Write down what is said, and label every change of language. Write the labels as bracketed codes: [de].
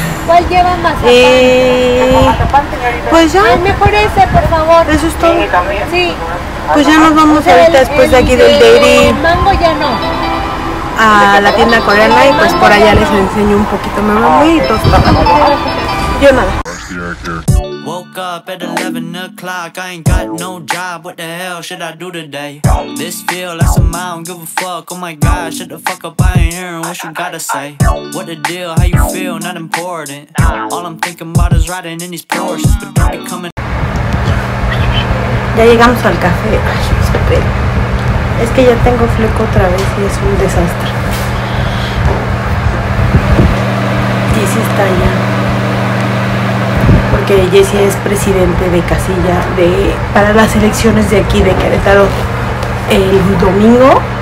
[es] ¿Cuál lleva mazapán? Pues ya. Ay, mejor ese, por favor. ¿Eso es todo? Sí. Pues ya nos vamos ahorita después de aquí del dairy. El mango ya no. A la tienda coreana y pues por allá les enseño un poquito más bonitos. Yo nada. [en] Woke up at 11 o'clock, I ain't got no job, what the hell should I do today? This feel like some I don't give a fuck, oh my god, shut the fuck up, I ain't hearing what you gotta say. What the deal, how you feel, not important. All I'm thinking about is riding in these Porsches, but don't be coming. [es] Ya llegamos al café, ay, es que ya tengo fleco otra vez y es un desastre. Y si está ya. Que Jessie es presidente de casilla de, para las elecciones de aquí de Querétaro el domingo.